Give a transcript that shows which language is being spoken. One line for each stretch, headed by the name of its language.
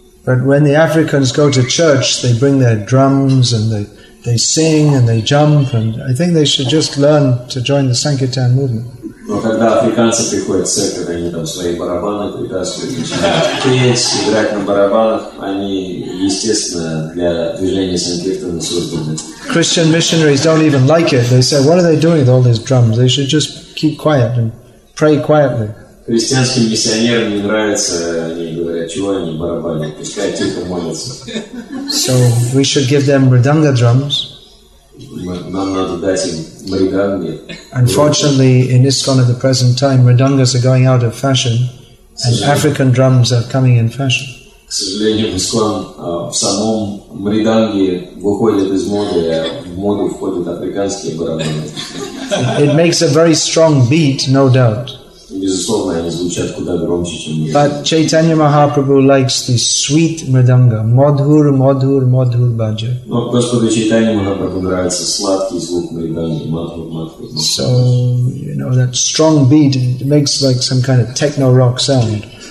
English: But when the Africans go to church, they bring their drums and they sing and they jump, and I think they should just learn to join the Sankirtan movement.
Russian: Но когда африканцы приходят в церковь, они там свои барабаны притаскивают, начинают петь, играть на барабанах, они, естественно, для движения Сан-Кирттана созданы.
English: Christian missionaries don't even like it. They say, what are they doing with all these drums? They should just keep quiet and pray quietly.
Russian: Христианским миссионерам не нравится, они говорят, чего они барабаны, пускай тихо молятся.
English: So we should give them мридунга drums.
Russian: Нам надо дать им мриданги.
English: Unfortunately, in ISKCON at the present time, mridangas are going out of fashion, and African drums are coming in fashion.
Russian: К сожалению, в ISKCON в самом мриданге выходят из моды, а в моду входят африканские барабаны.
English: It makes a very strong beat, no doubt.
Russian: Безусловно, они звучат куда громче, чем мридангы.
English: But Chaitanya Mahaprabhu likes the sweet mridanga, madhur, madhur, madhur bhaja.
Russian: Но Господу Чайтанья Махапрабху нравится сладкий звук мриданги, madhur, madhur.
English: So, you know, that strong beat, it makes like some kind of techno-rock sound.